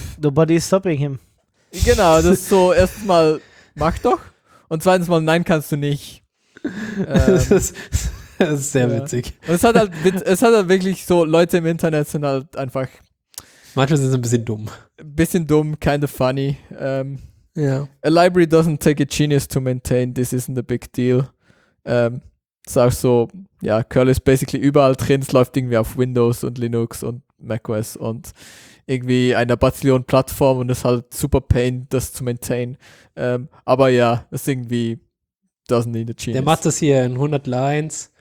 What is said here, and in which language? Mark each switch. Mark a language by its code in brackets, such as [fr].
[en] Nobody is stopping him. [de] Genau, das ist so, erstmal mach doch und zweitens mal, nein, kannst du nicht. Das ist sehr witzig. Und es hat halt wirklich so, Leute im Internet sind halt einfach... Manchmal sind sie ein bisschen dumm. Bisschen dumm, [en] kind of funny. Yeah. A library doesn't take a genius to maintain, this isn't a big deal. [de] Ist auch so, ja, Curl ist basically überall drin, es läuft irgendwie auf Windows und Linux und macOS und irgendwie einer Bazillion Plattform und es ist halt [en] super pain, [de] das zu maintain. Aber ja, es ist irgendwie [en] doesn't need a genius. [de] Der macht das hier in 100 Lines.